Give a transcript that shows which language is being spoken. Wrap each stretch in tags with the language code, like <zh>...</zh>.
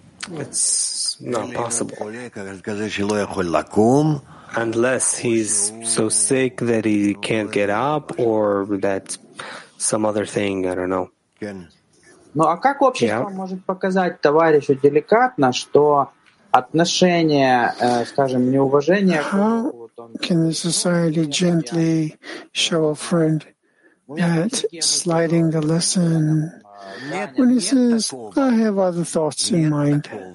<en>It's not possible. Unless he's so sick that he can't get up, or that some other thing, I don't know.</en> <ru>Ну а как общество может показать товарищу деликатно, что отношение, скажем, неуважение?</ru> <en>Can the society gently show a friend that sliding the lesson? When he says, I have other thoughts in mind.</en>